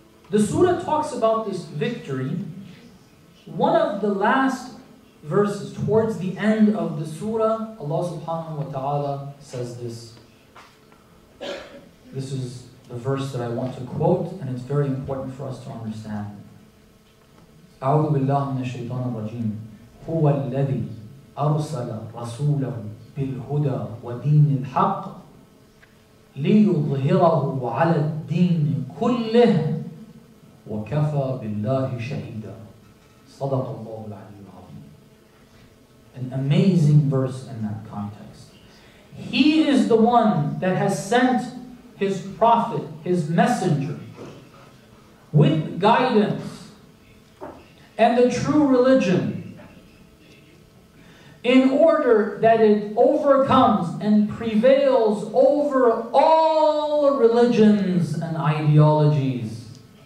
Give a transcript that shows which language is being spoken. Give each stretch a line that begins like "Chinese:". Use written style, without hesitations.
English: The surah talks about this victory. One of the last verses, towards the end of the surah, Allah subhanahu wa ta'ala says this. This is the verse that I want to quote, and it's very important for us to understand.
Arabic: A'udhu billahi minash shaitanir rajeem. هو الذي أرسل رسوله بالهدى ودين الحق ليظهره على الدين كله وكفى بالله شهيدا صدق الله العلي العظيم.
English: An amazing verse in that context. He is the one that has sent his prophet, his messenger, with guidance and the true religion, in order that it overcomes and prevails over all religions and ideologies.